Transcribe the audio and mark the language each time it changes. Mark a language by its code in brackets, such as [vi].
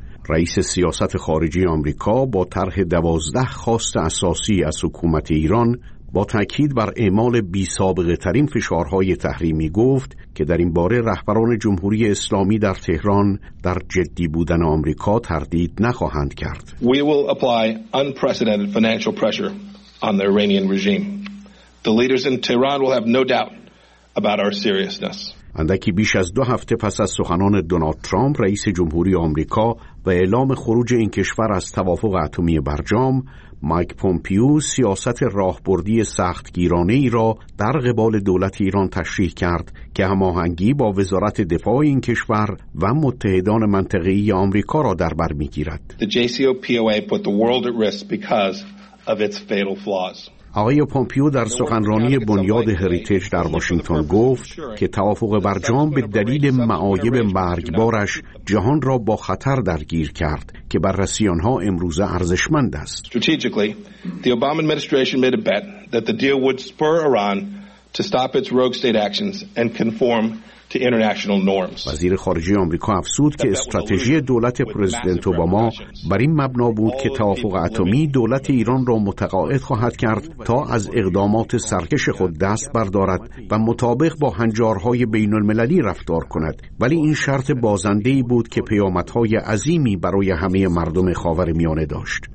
[fa] رئیس سیاست خارجه آمریکا با طرح 12 خواست اساسی از حکومت ایران با تأکید بر اعمال بی‌سابقه‌ترین فشارهای تحریمی گفت که در این باره رهبران جمهوری اسلامی در تهران در جدی بودن آمریکا تردید نخواهند کرد. [en] We will apply unprecedented financial pressure on the Iranian regime. The leaders in Tehran will have no doubt about our seriousness. [fa] اندکی بیش از 2 هفته پس از سخنان دونالد ترامپ رئیس جمهوری آمریکا و اعلام خروج این کشور از توافق اتمی برجام، مایک پومپئو سیاست راهبردی سختگیرانه‌ای را در قبال دولت ایران تشریح کرد که هماهنگی با وزارت دفاع این کشور و متحدان منطقه‌ای آمریکا را در بر می‌گیرد. [en] The JCPOA put the world at risk because of its fatal flaws. [fa] آقای پومپئو در سخنرانی بنیاد هریتیج در واشنگتن گفت که توافق برجام به دلیل معایب مرگبارش جهان را با خطر درگیر کرد که بررسی آنها امروز ارزشمند است. [en] Strategically, the Obama administration made a bet that the deal would spur Iran to stop its rogue state actions and conform to international norms. [fa] وزیر خارجه آمریکا افسود که استراتژی دولت پرزیدنت اوباما بر این مبنا بود که توافق اتمی دولت ایران را متقاعد خواهد کرد تا از اقدامات سرکش خود دست بردارد و مطابق با هنجارهای بین المللی رفتار کند، ولی این شرط بازنده‌ای بود که پیامدهای عظیمی برای همه مردم خاورمیانه داشت.